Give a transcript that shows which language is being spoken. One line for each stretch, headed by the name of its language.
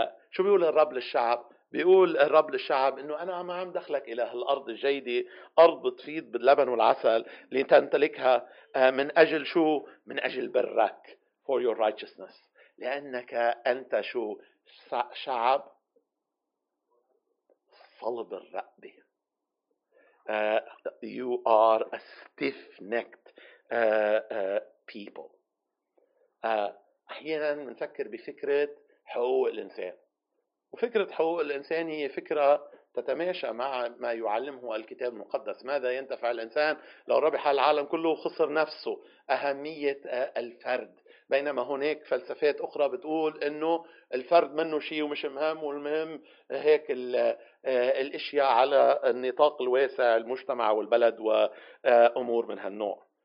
Arabic: شو بيقول الرب للشعب؟ بيقول الرب للشعب إنه أنا ما عم دخلك إلى هالأرض الجيدة، أرض تفيد باللبن والعسل، لتمتلكها من أجل شو؟ من أجل برك،
English: for your righteousness،
Arabic: لأنك أنت شو؟ شعب صلب الرقبة.
English: You are a stiff-necked people.
Arabic: أحياناً نفكر بفكرة حقوق الإنسان، وفكرة حقوق الإنسان هي فكرة تتماشى مع ما يعلمه الكتاب المقدس. ماذا ينتفع الإنسان لو ربح العالم كله وخسر نفسه؟ أهمية الفرد، بينما هناك فلسفات أخرى بتقول إنه الفرد منه شيء ومش مهم، والمهم هيك الأشياء على النطاق الواسع، المجتمع والبلد وأمور من هالنوع.